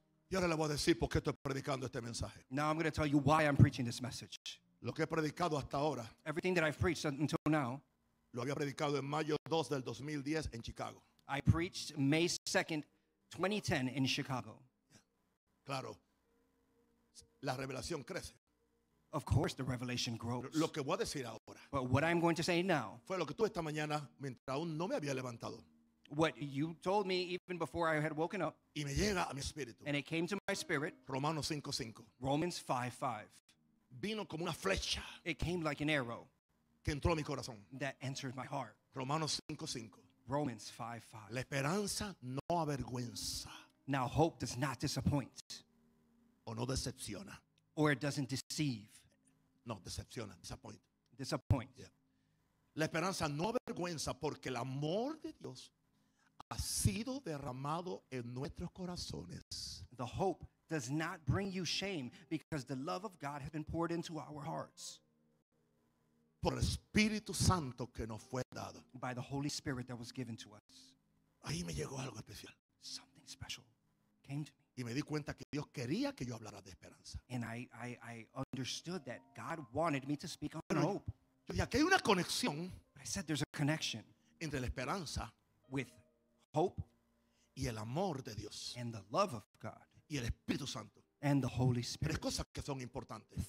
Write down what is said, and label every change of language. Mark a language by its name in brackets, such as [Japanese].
[Spanish] Y ahora le voy a decir por qué estoy predicando este mensaje. [English] Now I'm going to tell you why I'm preaching this message. [Spanish] Lo que he predicado hasta ahora. [English] Everything that I've preached until now. [Spanish] Lo había predicado en mayo 2 del 2010 en Chicago. [English] I preached May 2nd, 2010 in Chicago. [Spanish] Claro. La revelación crece. [English] Of course the revelation grows. [Spanish] Lo que voy a decir ahora. [English] But what I'm going to say now. [Spanish] Fue lo que tuve esta mañana mientras aún no me había levantado. [English] What you told me even before I had woken up. [Spanish] Y me llega a mi espíritu. [English] And it came to my spirit. [Spanish] Romanos 5:5. [English] Romans 5:5. [Spanish] Vino como una flecha. [English] It came like an arrow. [Spanish] Que entró a mi corazón. [English] That entered my heart. [Spanish] Romanos 5:5. [English] Romans 5:5. [Spanish] La esperanza no avergüenza. [English] Now hope does not disappoint. [Spanish] O no decepciona. [English] Or it doesn't deceive. [Spanish] No, decepciona, disappoint. [English] Disappoint. Yeah. [Spanish] La esperanza no avergüenza porque el amor de Dios ha sido derramado en nuestros corazones. [English] The hope does not bring you shame because the love of God has been poured into our hearts. [Spanish] Por el Espíritu Santo que nos fue dado. [English] By the Holy Spirit that was given to us. [Spanish] Ahí me llegó algo especial. [English] Something special came to me. [Spanish] Y me di cuenta que Dios quería que yo hablara de esperanza. [English] And I understood that God wanted me to speak on hope. [Spanish] Yo dije, aquí hay una conexión. [English] I said there's a connection. [Spanish] Entre la esperanza. [English] With hope. [Spanish] Y el amor de Dios. [English] And the love of God. [Spanish] Y el Espíritu Santo. [English] And the Holy Spirit. [Spanish] Tres cosas que son importantes.